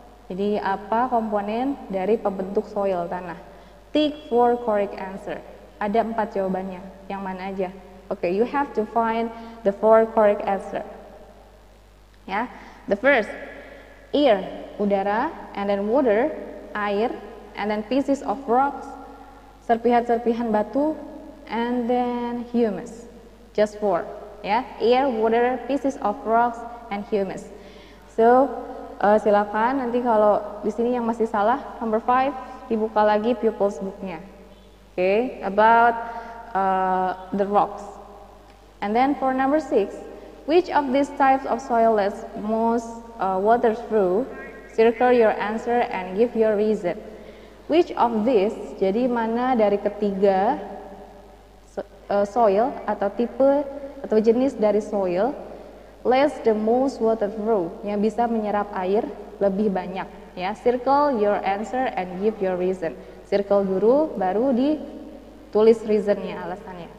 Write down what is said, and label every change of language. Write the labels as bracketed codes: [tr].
[id] Jadi, apa komponen dari pembentuk soil tanah? Tick for correct answer. Ada 4 jawabannya, yang mana aja? [en] Okay, you have to find the 4 correct answer. Yeah, the first, air, udara, and then water, air, and then pieces of rocks, Serpihan-serpihan batu, and then humus, just four, yeah, air, water, pieces of rocks, and humus. [id] So, silakan nanti kalau di sini yang masih salah, number five, dibuka lagi pupils book-nya. [en] Okay, about the rocks. And then for number six, which of these types of soil is most waterproof? Circle your answer and give your reason. [id] Which of these, jadi mana dari ketiga soil atau tipe atau jenis dari soil less the most waterproof, yang bisa menyerap air lebih banyak, ya. [en] Circle your answer and give your reason. Circle dulu, baru ditulis reasonnya, alasannya.